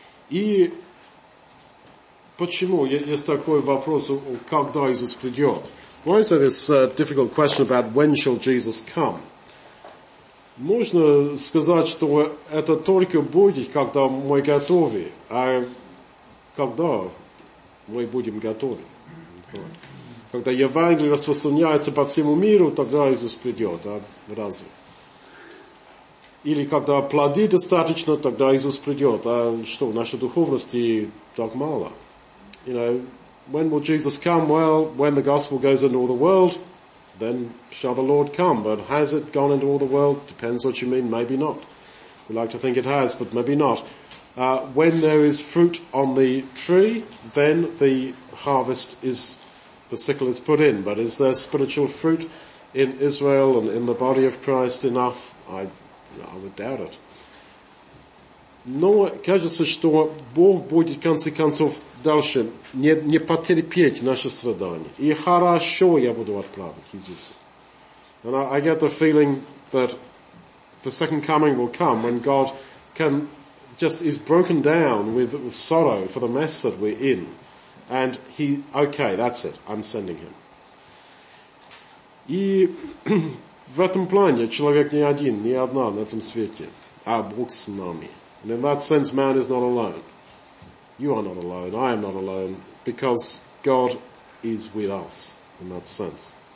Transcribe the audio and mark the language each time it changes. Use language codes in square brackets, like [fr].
[ru] И почему есть такой вопрос, когда Иисус придет? [en] Why is there this difficult question about when shall Jesus come? [ru] Можно сказать, что это только будет, когда мы готовы. А когда мы будем готовы? Когда Евангелие распространяется по всему миру, тогда Иисус придет. А разве? Или когда плоды достаточно, тогда Иисус придет. А что, нашей духовности так мало? [en] You know, when will Jesus come? Well, when the gospel goes into all the world, then shall the Lord come. But has it gone into all the world? Depends what you mean. Maybe not. We like to think it has, but maybe not. When there is fruit on the tree, then the harvest is, the sickle is put in. But is there spiritual fruit in Israel and in the body of Christ enough? I would doubt it. [ru] Но кажется, что Бог будет, в конце концов, дальше не потерпеть наши страдания. И хорошо я буду отправлен к Иисусу. [en] And I get the feeling that the second coming will come when God is broken down with sorrow for the mess that we're in. And he, okay, that's it, I'm sending him. [ru] И в этом плане человек не один, не одна на этом свете, а Бог с нами. [en] And in that sense, man is not alone. You are not alone. I am not alone. Because God is with us in that sense.